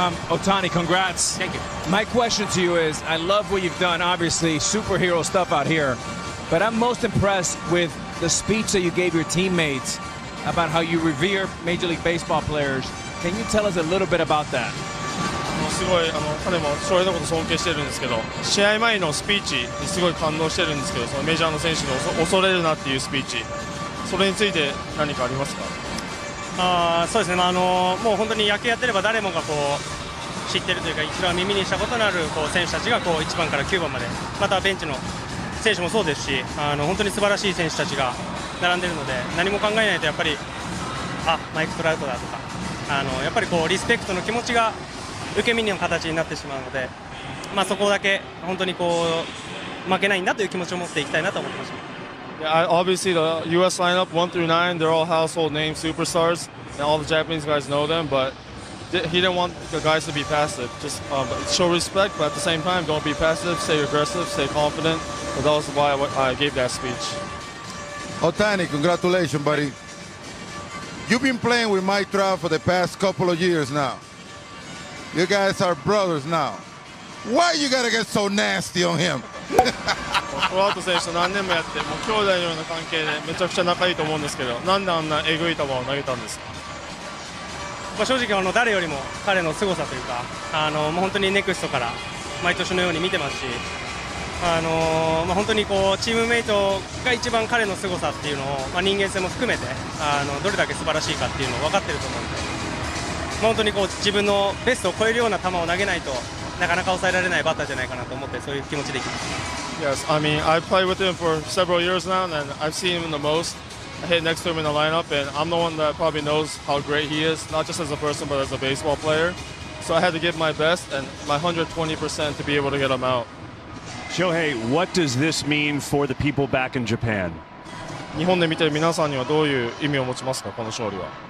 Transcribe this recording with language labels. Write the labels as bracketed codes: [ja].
[en] Ohtani, congrats. Thank you. My question to you is, I love what you've done, obviously, superhero stuff out here, but I'm most impressed with the speech that you gave your teammates about how you revere Major League Baseball players. Can you tell us a little bit about that? [ja] すごい彼も翔平のこと尊敬してるんですけど、試合前のスピーチにすごい感動してるんですけど、そのメジャーの選手の恐れるなっていうスピーチ、それについて何かありますか？そうですね、もう本当に野球やってれば誰もがこう知ってるというか、一番耳にしたことのあるこう選手たちがこう1番から9番まで、またベンチの選手もそうですし、本当に素晴らしい選手たちが並んでるので、何も考えないとやっぱり、あ、マイク・トラウトだとか、やっぱりこうリスペクトの気持ちが受け身の形になってしまうので、まあ、そこだけ本当にこう負けないんだという気持ちを持っていきたいなと思ってました。 [en] Yeah, obviously the US lineup 1-9, they're all household name superstars and all the Japanese guys know them, but he didn't want the guys to be passive. Just show respect, but at the same time, don't be passive, stay aggressive, stay confident. So that was why I gave that speech. Ohtani, congratulations, buddy. You've been playing with Mike Trout for the past couple of years now. You guys are brothers now. Why you gotta get so nasty on him? [ja] トラウト選手と何年もやって、もう兄弟のような関係でめちゃくちゃ仲いいと思うんですけど、なんであんなえぐい球を投げたんですか？まあ、正直誰よりも彼の凄さというか、もう本当にネクストから毎年のように見てますし、まあ、本当にこうチームメイトが一番彼の凄さっていうのを、まあ、人間性も含めてどれだけ素晴らしいかっていうのを分かってると思うんで、まあ、本当にこう自分のベストを超えるような球を投げないとなかなか抑えられないバッターじゃないかなと思って、そういう気持ちでいきます。 [en] Yes, I mean, I've played with him for several years now, and I've seen him the most. I hit next to him in the lineup, and I'm the one that probably knows how great he is, not just as a person, but as a baseball player. So I had to give my best and my 120% to be able to get him out. Shohei, what does this mean for the people back in Japan? [ja] 日本で見てる皆さんにはどういう意味を持ちますか、この勝利は。